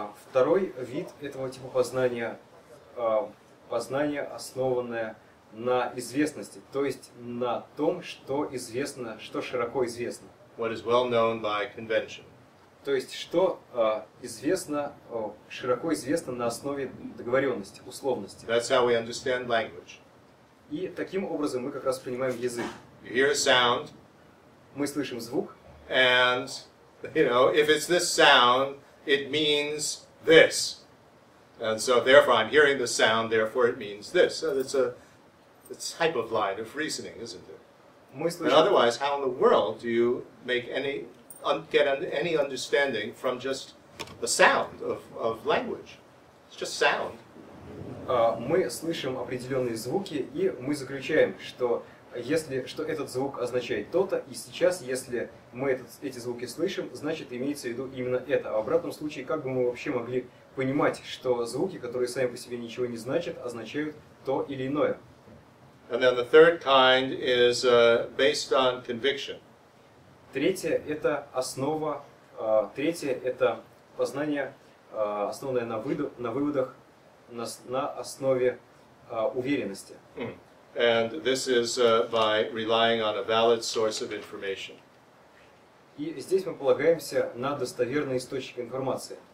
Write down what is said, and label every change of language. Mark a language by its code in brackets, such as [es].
[ru] Второй вид этого типа познания, познание, основанное на известности, то есть на том, что известно, что широко известно. [en] What is well known by convention. [ru] То есть, что известно, широко известно на основе договоренности, условности. [en] That's how we understand language. [ru] И таким образом мы как раз понимаем язык. [en] You hear a sound. [ru] Мы слышим звук. [en] And, you know, if it's this sound, it means this. And so, therefore, I'm hearing the sound, therefore it means this. So it's a type of line of reasoning, isn't it? And otherwise, how in the world do you make any get any understanding from just the sound of language? It's just sound. [ru] Мы слышим определенные звуки, и мы заключаем, что если что этот звук означает то-то, и сейчас, если мы эти звуки слышим, значит, имеется в виду именно это. А в обратном случае, как бы мы вообще могли понимать, что звуки, которые сами по себе ничего не значат, означают то или иное? [en] And then the third kind is based on conviction. [ru] Третье — это основа, третье — это познание, основанное на выводах, на основе уверенности. [en] And this is by relying on a valid source of information. [ru] И здесь мы полагаемся на достоверный источник информации.